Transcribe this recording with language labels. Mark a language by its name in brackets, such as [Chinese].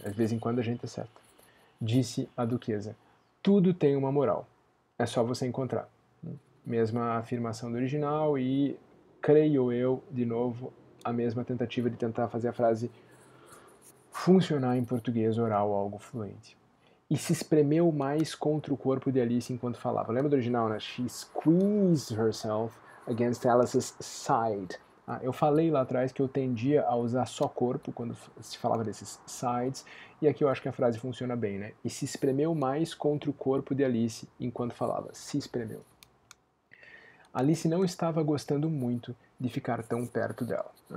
[Portuguese] De vez em quando a gente acerta. Disse a duquesa. Tudo tem uma moral. É só você encontrar. Mesma afirmação do original e creio eu, de novo, a mesma tentativa de tentar fazer a frase funcionar em português oral, algo fluente. E se espremeu mais contra o corpo de Alice enquanto falava. Lembra do original, né? [English] She squeezed herself against Alice's side. [Portuguese] Ah, eu falei lá atrás que eu tendia a usar só corpo quando se falava desses sides, e aqui eu acho que a frase funciona bem, né? E se espremeu mais contra o corpo de Alice enquanto falava. Se espremeu. Alice não estava gostando muito de ficar tão perto dela.